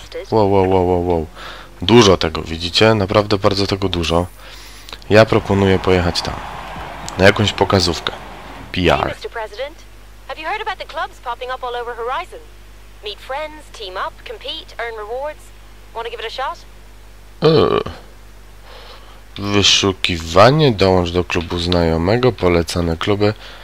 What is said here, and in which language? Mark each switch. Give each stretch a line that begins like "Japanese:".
Polish: Wow. Dużo tego, widzicie? Naprawdę bardzo tego dużo. Ja proponuję pojechać tam. Na jakąś pokazówkę. PR.
English: Hey, Mr. President. Have you heard about the clubs popping up all over Horizon? Meet friends, team up, compete, earn rewards. Wanna give it a shot?
Polish: Wyszukiwanie, dołącz do klubu znajomego, polecane kluby.